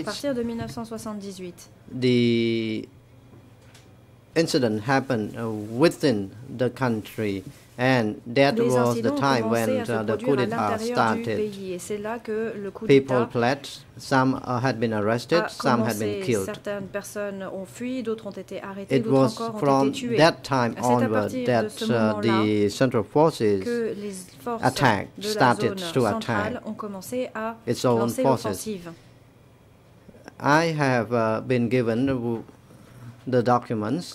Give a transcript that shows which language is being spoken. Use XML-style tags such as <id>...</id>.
<fr>à partir de 1978,</fr> <en>the incident happened within the country, and that was the time when the coup d'état started. People fled, some had been arrested, some had been killed.</en> <fr>Certaines personnes ont fui, d'autres ont été arrêtées,</fr> <en>it was from that time onward that the central forces started to attack its own forces. I have been given the documents.</en>